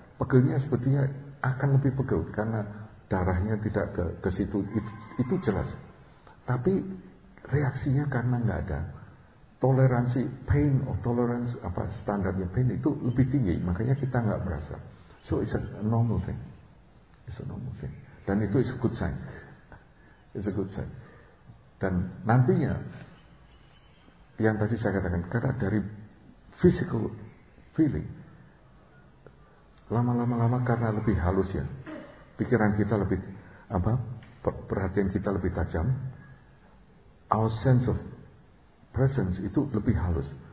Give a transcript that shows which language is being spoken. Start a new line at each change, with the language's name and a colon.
Indonesian: Pegelnya sebetulnya akan lebih pegel karena darahnya tidak ke situ, itu jelas. Tapi reaksinya karena nggak ada toleransi
English: pain or tolerance
Indonesian: apa standarnya pain itu lebih tinggi, makanya kita nggak merasa.
English: So it's a normal thing, it's a normal thing,
Indonesian: dan itu
English: is a good sign, it's a good sign.
Indonesian: Dan nantinya yang tadi saya katakan, karena dari
English: physical feeling
Indonesian: lama-lama karena lebih halus ya, pikiran kita lebih apa, perhatian kita lebih tajam,
English: our sense of presence
Indonesian: itu lebih halus.